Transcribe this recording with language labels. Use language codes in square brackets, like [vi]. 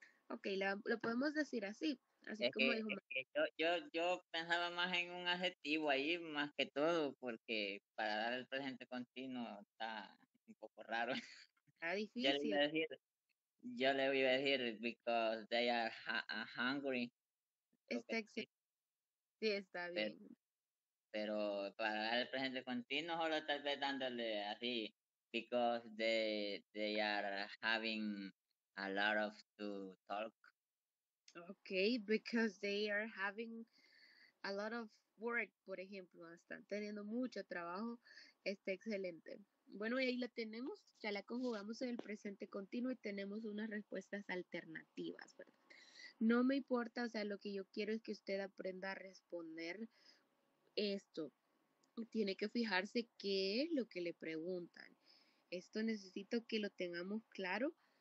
[es] Ok, lo podemos decir así. Así es como dijo. Yo pensaba más en un adjetivo ahí, más que todo, porque para dar el presente continuo está un poco raro. Está difícil. Yo le iba a decir, [en] because they are hungry. [es] Sí, está bien. Pero para dar el presente continuo, solo tal vez dándole así, [en] because they are having a lot of to talk. Okay, because they are having a lot of work, [es] por ejemplo. Están teniendo mucho trabajo. Está excelente. Bueno, y ahí la tenemos. Ya la conjugamos en el presente continuo y tenemos unas respuestas alternativas, ¿verdad? No me importa, o sea, lo que yo quiero es que usted aprenda a responder esto. Tiene que fijarse qué es lo que le preguntan. Esto necesito que lo tengamos claro.